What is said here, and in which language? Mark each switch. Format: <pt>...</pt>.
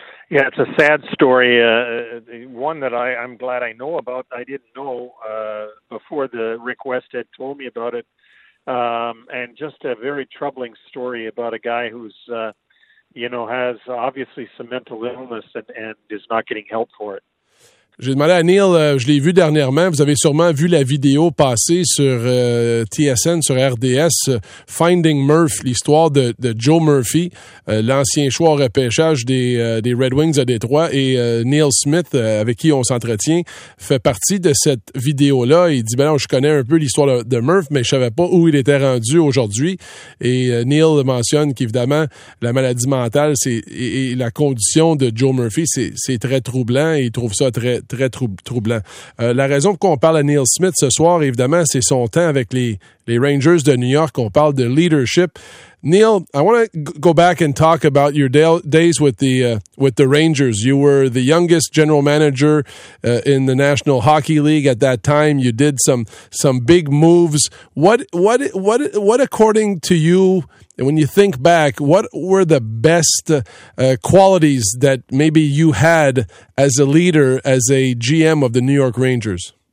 <en>Yeah, it's a sad story, one that I'm glad I know about. I didn't know before the request had told me about it. And just a very troubling story about a guy who's, has obviously some mental illness and is not getting help for it.</en> <fr>J'ai demandé à Neil, je l'ai vu dernièrement, vous avez sûrement vu la vidéo passer sur TSN, sur RDS, Finding Murph, l'histoire de Joe Murphy, l'ancien choix au repêchage des Red Wings à Détroit, et Neil Smith, avec qui on s'entretient, fait partie de cette vidéo-là. Il dit, je connais un peu l'histoire de Murph, mais je savais pas où il était rendu aujourd'hui. Et Neil mentionne qu'évidemment, la maladie mentale et la condition de Joe Murphy, c'est très troublant, et il trouve ça très troublant. La raison qu'on parle à Neil Smith ce soir, évidemment, c'est son temps avec les Rangers de New York. On parle de leadership.</fr> <en>Neil, I want to go back and talk about your days with the Rangers. You were the youngest general manager in the National Hockey League at that time. You did some big moves. What according to you, and when you think back, what were the best qualities that maybe you had as a leader, as a GM of the New York Rangers?</en>